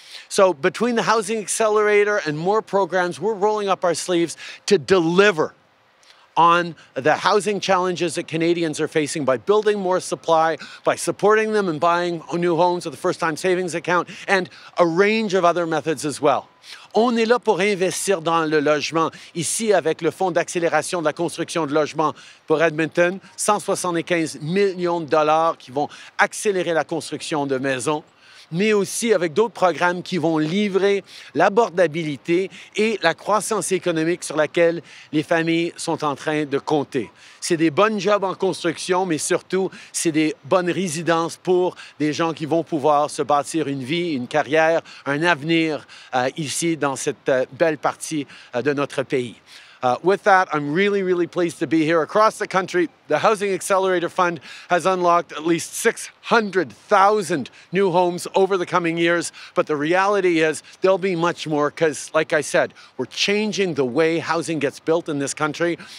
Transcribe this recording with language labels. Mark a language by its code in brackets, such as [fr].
[en] So between the Housing Accelerator and more programs, we're rolling up our sleeves to deliver on the housing challenges that Canadians are facing by building more supply, by supporting them and buying new homes with a first-time savings account, and a range of other methods as well. [fr] On est là pour investir dans le logement. Ici, avec le Fonds d'accélération de la construction de logements pour Edmonton, $175 million qui vont accélérer la construction de maisons. mais aussi avec d'autres programmes qui vont livrer l'abordabilité et la croissance économique sur laquelle les familles sont en train de compter. C'est des bonnes jobs en construction, mais surtout, c'est des bonnes résidences pour des gens qui vont pouvoir se bâtir une vie, une carrière, un avenir ici dans cette belle partie de notre pays. [en] With that, I'm really, really pleased to be here. Across the country, the Housing Accelerator Fund has unlocked at least 600,000 new homes over the coming years. But the reality is there'll be much more because, like I said, we're changing the way housing gets built in this country.